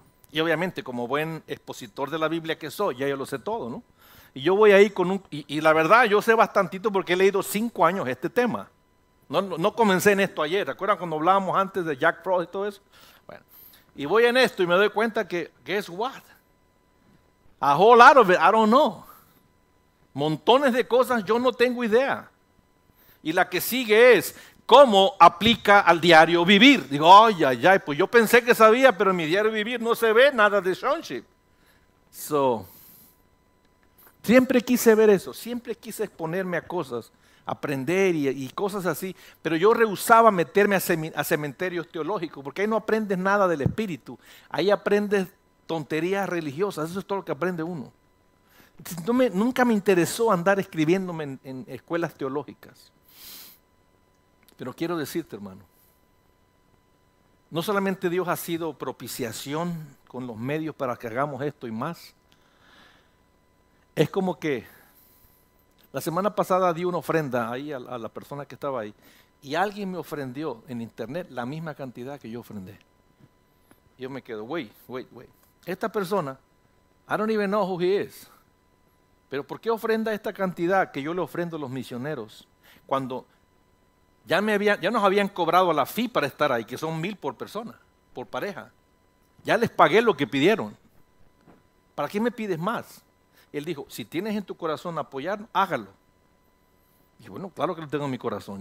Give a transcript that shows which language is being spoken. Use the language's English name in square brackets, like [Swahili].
[Spanish] Y obviamente, como buen expositor de la Biblia que soy, ya yo lo sé todo, ¿no? Y yo voy ahí y la verdad yo sé bastantito porque he leído 5 años este tema. No comencé en esto ayer, ¿te acuerdas cuando hablábamos antes de Jack Frost y todo eso? Bueno, y voy en esto y me doy cuenta que, [English] guess what? A whole lot of it, I don't know. [Spanish] Montones de cosas, yo no tengo idea. Y la que sigue es, ¿cómo aplica al diario vivir? Digo, ay, ay, ay, pues yo pensé que sabía, pero en mi diario vivir no se ve nada de sonship. So, siempre quise ver eso, siempre quise exponerme a cosas, aprender y cosas así, pero yo rehusaba meterme a cementerios teológicos, porque ahí no aprendes nada del espíritu, ahí aprendes tonterías religiosas, eso es todo lo que aprende uno. Nunca me interesó andar escribiéndome en escuelas teológicas, pero quiero decirte, hermano, No solamente Dios ha sido propiciación con los medios para que hagamos esto y más. Es como que la semana pasada di una ofrenda ahí a la persona que estaba ahí y alguien me ofrendió en internet la misma cantidad que yo ofrendé. Yo me quedo, [English] wait. [Spanish] Esta persona, [English] I don't even know who he is. [Spanish] Pero ¿por qué ofrenda esta cantidad que yo le ofrendo a los misioneros cuando ya nos habían cobrado la fee para estar ahí, que son 1,000 por persona, por pareja? Ya les pagué lo que pidieron. ¿Para qué me pides más? Él dijo, si tienes en tu corazón apoyar, hágalo. Y bueno, claro que lo tengo en mi corazón.